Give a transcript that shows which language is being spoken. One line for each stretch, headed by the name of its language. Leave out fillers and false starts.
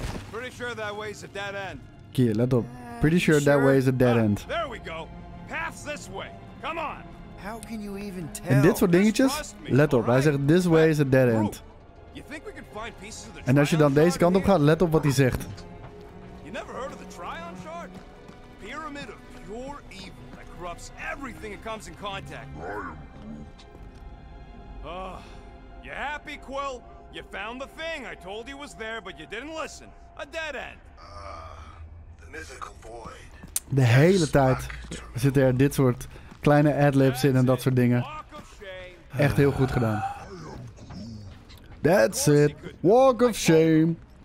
English: Pretty sure that way is a dead end.
Dutch: Kie, let op.
English: Pretty sure that way is a dead end. There we go. Pass this way. Come on! How can you even tell?
Dutch: En dit soort dingetjes, let op, hij zegt,
English: this way is a dead end. You think we can find pieces of the
Dutch: en als je dan deze kant op gaat, let op wat hij zegt.
English: You never heard of the Trion chart? Pyramid of pure evil that corrupts everything it comes in contact with. You happy, Quill? You found the thing I told you was there, but you didn't listen. A dead end. The mythical void.
Dutch: De hele tijd zitten er dit soort kleine ad-libs in en dat soort dingen. Echt heel goed gedaan.
English: That's it. Walk of shame.